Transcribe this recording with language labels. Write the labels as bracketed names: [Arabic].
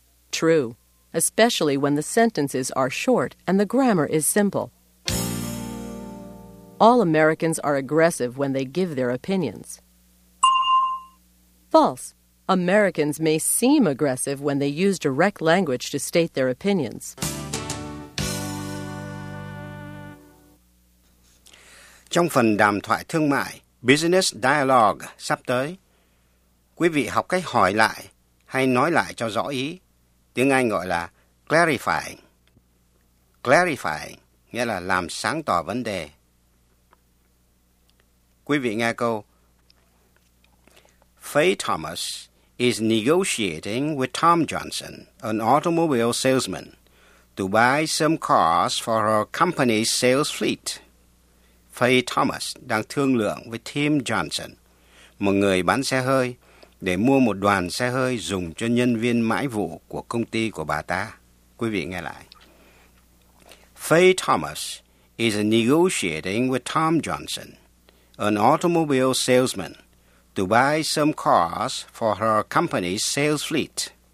[English] True, especially when the sentences are short and the grammar is simple. All Americans are aggressive when they give their opinions. False. Americans may seem aggressive when they use direct language to state their opinions. [Vietnamese] Trong phần đàm thoại thương mại, Business Dialogue sắp tới, quý vị học cách hỏi lại hay nói lại cho rõ ý. Tiếng Anh gọi là clarify. Clarify nghĩa là làm sáng tỏ vấn đề. Quý vị nghe câu. [English] Faye Thomas is negotiating with Tom Johnson, an automobile salesman, to buy some cars for her company's sales fleet. [Vietnamese] Faye Thomas đang thương lượng với Tim Johnson, một người bán xe hơi, để mua một đoàn xe hơi dùng cho nhân viên mãi vụ của công ty của bà ta. Quý vị nghe lại. [English] Faye Thomas is negotiating with Tom Johnson, an automobile salesman, to buy some cars for her company's sales fleet.